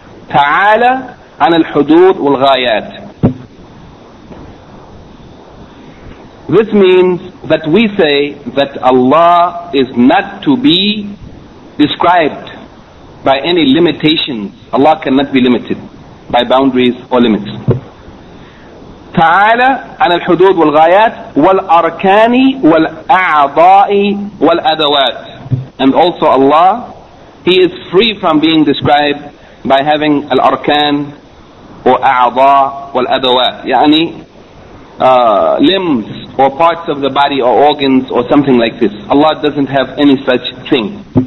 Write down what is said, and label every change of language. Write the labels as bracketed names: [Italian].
[Arabic] Ta'ala an al-hudud wal-ghayat. [English] This means that we say that Allah is not to be described by any limitations. Allah cannot be limited by boundaries or limits. [Arabic] تعالى عن الحدود والغايات والأركان والأعضاء والأدوات. [English] And also Allah, He is free from being described by having al-arkan or a'adha wal-adawat. يعني limbs or parts of the body or organs or something like this. Allah doesn't have any such thing.